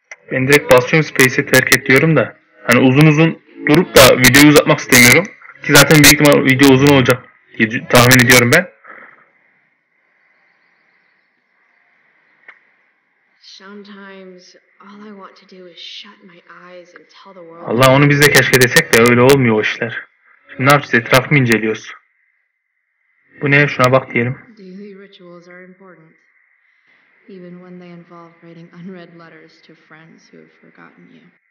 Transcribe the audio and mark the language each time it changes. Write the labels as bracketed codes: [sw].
[tr] Ben direkt basıyorum Space'i terk et diyorum da. Hani uzun uzun durup da videoyu uzatmak istemiyorum. Ki zaten büyük ihtimal video uzun olacak diye tahmin ediyorum ben. [en] Sometimes all I want to do is shut my eyes and tell the world. [tr] Allah onu biz de keşke desek de öyle olmuyor o işler. Şimdi ne yapacağız? Etrafı mı inceliyoruz? Bu ne? Şuna bak diyelim. [en] Daily rituals are important, even when they involve writing unread letters to friends who have forgotten you.